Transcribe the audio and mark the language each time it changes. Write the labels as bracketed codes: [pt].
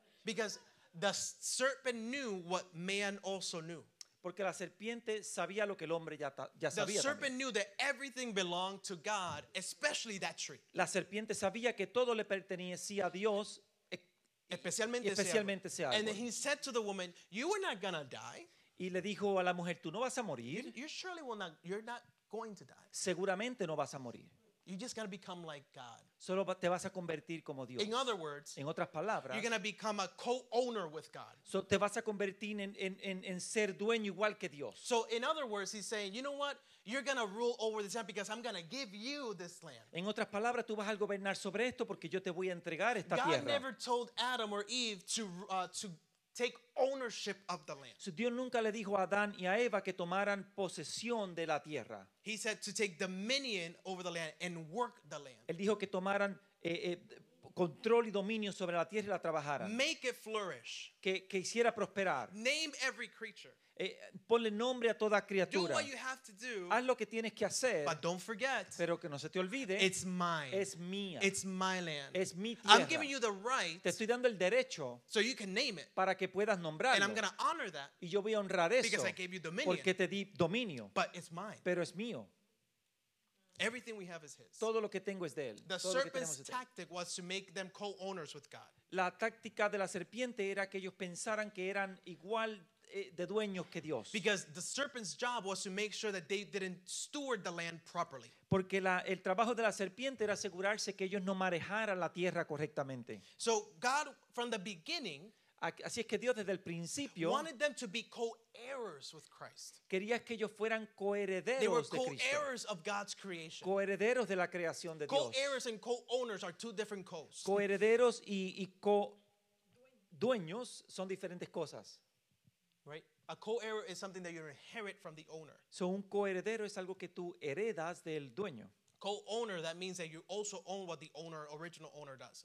[en] Because the serpent knew what man also knew. [es] Porque la serpiente sabía lo que el hombre ya sabía también. [en] The serpent knew that everything belonged to God, especially that tree. [es] La serpiente sabía que todo le pertenecía a Dios, especialmente ese árbol. [en] And then he said to the woman, you are not going to die. [es] Y le dijo a la mujer, tú no vas a morir. [en] You're not going to die. [es] Seguramente no vas a morir. [en] You're just going to become like God. [es] Solo te vas a convertir como Dios. [en] In other words, [es] en otras palabras, [en] you're going to become a co-owner with God. [es] So te vas a convertir en ser dueño igual que Dios. [en] So in other words, he's saying, you know what? You're going to rule over this land because I'm going to give you this land. [es] En otras palabras, tú vas a gobernar sobre esto porque yo te voy a entregar esta [en] God [es] tierra. [en] God never told Adam or Eve to take ownership of the land. [es] So Dios nunca le dijo a Adán y a Eva que tomaran posesión de la tierra. [en] He said to take dominion over the land and work the land. [es] Él dijo que tomaran control y dominio sobre la tierra y la trabajaran. [en] Make it flourish. [es] Que hiciera prosperar. [en] Name every creature. [es] Ponle nombre a toda criatura. [en] Do what you have to do. [es] Haz lo que tienes que hacer. [en] But don't forget. [es] Pero que no se te olvide. [en] It's mine. [es] Es mía. [en] It's my land. [es] Es mi tierra. [en] I'm giving you the right. [es] Te estoy dando el derecho. [en] So you can name it. [es] Para que puedas nombrarlo. [en] And I'm going to honor that. [es] Y yo voy a honrar eso. [en] Because I gave you dominion. [es] Porque te di dominio. [en] But it's mine. [es] Pero es mío. [en] Everything we have is his. [es] Todo lo que tengo es de él. [en] The serpent's tactic was to make them co-owners with God. [es] La táctica de la serpiente era que ellos pensaran que eran igual de dueños que Dios. [en] Because the serpent's job was to make sure that they didn't steward the land properly. [es] Porque el trabajo de la serpiente era asegurarse que ellos no manejaran la tierra correctamente. [en] So God, from the beginning, [es] así es que Dios desde el principio [en] wanted them to be co-heirs with Christ. [es] Quería que ellos fueran coherederos de Cristo. [en] They were co-heirs of God's creation. [es] Coherederos de la creación de Dios. [en] Co-heirs and co-owners are two different co's. [es] Coherederos y co-dueños son diferentes cosas. [en] Right? A co-heir is something that you inherit from the owner. [es] So un coheredero es algo que tú heredas del dueño. [en] Co-owner, that means that you also own what the owner, original owner does.